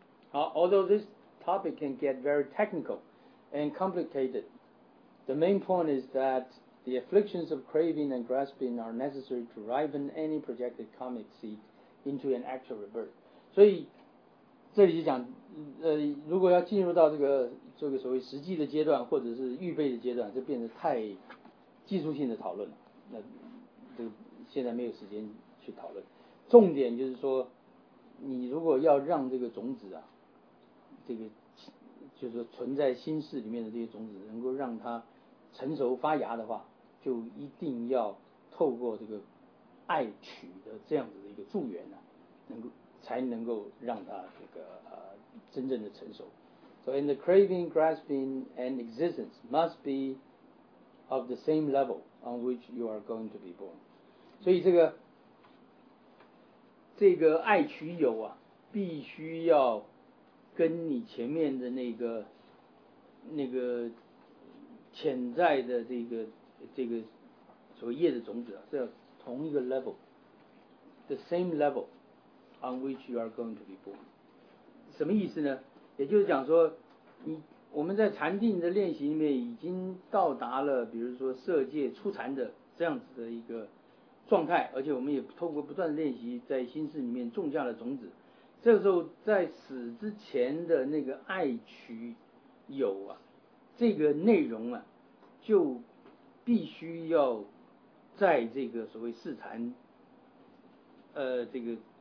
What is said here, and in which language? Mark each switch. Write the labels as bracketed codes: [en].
[en] 好 ，although this topic can get very technical and complicated, the main point is that the afflictions of craving and grasping are necessary to ripen any projected karmic seed into an actual rebirth. [zh] 所以这里就讲，如果要进入到这个所谓实际的阶段，或者是预备的阶段，就变得太技术性的讨论了。那这个现在没有时间去讨论。重点就是说，你如果要让这个种子啊，这个就是说存在心室里面的这些种子，能够让它成熟发芽的话，就一定要透过这个爱取的这样子的一个助缘呢、啊，才能够让它这个真正的成熟。 [en] So in the craving, grasping, and existence must be of the same level on which you are going to be born. [zh] 所以这个爱取有啊，必须要跟你前面的那个潜在的这个所谓业的种子啊，是要同一个 level， the same level。 [en] On which you are going to be born， [zh] 什么意思呢？也就是讲说，我们在禅定的练习里面已经到达了，比如说色界初禅的这样子的一个状态，而且我们也透过不断的练习，在心室里面种下了种子。这个时候，在死之前的那个爱取有啊，这个内容啊，就必须要在这个所谓四禅，这个。